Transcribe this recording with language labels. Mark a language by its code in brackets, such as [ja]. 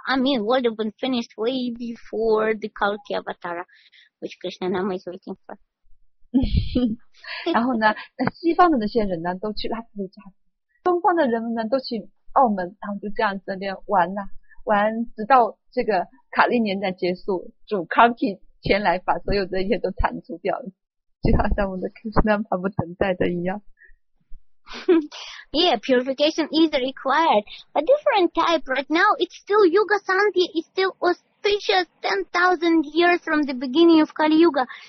[en] I mean, world have been finished way before the Kalki Avatara, which Krishna Nama is waiting for. [zh] 然后呢，西方的那些人呢，都去拉斯维加斯，东方的人呢，都去澳门，然后就这样子那边玩呐、玩，直到这个卡利年代结束，主 Kalki前来把所有这些都铲除掉了，就好像我们的 Krishna 他不存在的一样。 [en] Yeah, purification is required. A different type right now, it's still Yuga Santi, it's still auspicious 10,000 years from the beginning of Kali Yuga.